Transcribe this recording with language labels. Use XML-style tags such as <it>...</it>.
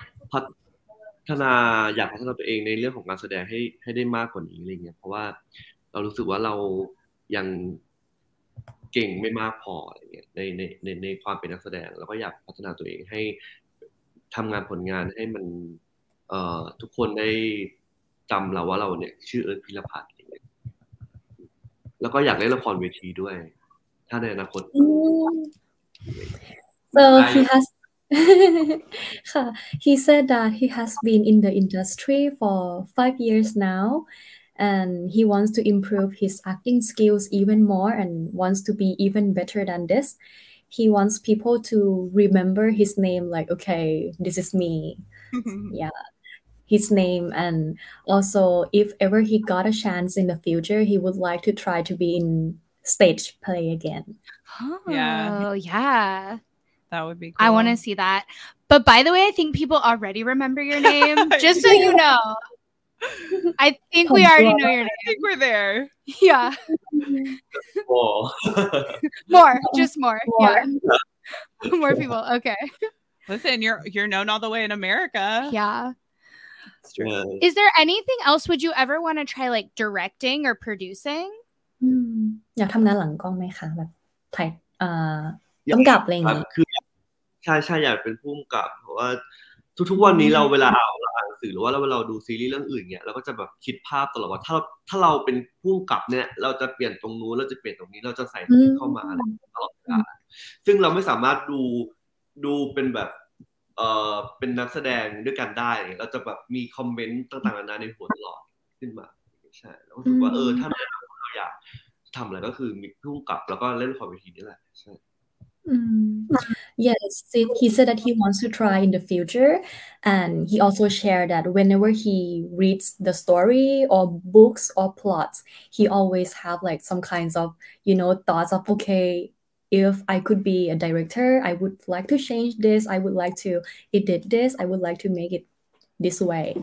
<th>พัฒนาอยากพัฒนาตัวเองในเรื่องของการแสดงให้ได้มากกว่านี้อะไรเงี้ยเพราะว่าเรารู้สึกว่าเรายังเก่งไม่มากพออะไรเงี้ยในความเป็นนักแสดงแล้วก็อยากพัฒนาตัวเองให้ทำงานผลงานให้มันทุกคนได้จำเราว่าเราเนี่ยชื่อเอิร์ธพิรพัฒน์แล้วก็อยากเล่นละครเวทีด้วยถ้าในอนาคต</th> <en>So he has, he said that he has been in the industry for 5 years now, and he wants to improve his acting skills even more and wants to be even better than this. He wants people to remember his name, like, okay, this is me. Yeah, his name. And also, if ever he got a chance in the future, he would like to try to be in stage play again. Oh, yeah. That would be cool. I want to see that. But by the way, I think people already remember your name. Just so you know. I think we already know your name. I think we're there. Yeah. More. More. Just more. More. Yeah. More people. Okay. Listen, you're known all the way in America. Yeah. It's true. Yeah. Is there anything else would you ever want to try, like, directing or producing?</en> <th>อยากทำงานหลังกล้องไหมคะ แบบถ่ายกำกับอะไรเงี้ย คือใช่อยากเป็นผู้กำกับเพราะว่าทุกๆวันนี้เราเวลาอ่านหนังสือหรือว่าเราดูซีรีส์เรื่องอื่นเนี่ยเราก็จะแบบคิดภาพตลอดว่าถ้าเราเป็นผู้กำกับเนี่ยเราจะเปลี่ยนตรงนู้นเราจะเปลี่ยนตรงนี้เราจะใส่ตรงนี้เข้ามาอะไรตลอดเวลาซึ่งเราไม่สามารถดูเป็นแบบเป็นนักแสดงด้วยกันได้เราจะแบบมีคอมเมนต์ต่างๆนานาในหัวตลอดขึ้นมาใช่แล้วรู้สึกว่าถ้าในอนาคตเราอยากทำอะไรก็คือมีผู้กำกับแล้วก็เล่นความเป็นทีนี่แหละใช่</th> <en>Yes, he said that he wants to try in the future, and he also shared that whenever he reads the story or books or plots, he always have like some kinds of, you know, thoughts of, okay, if I could be a director, I would like to change this, I would like to edit this, I would like to make it this way.</en>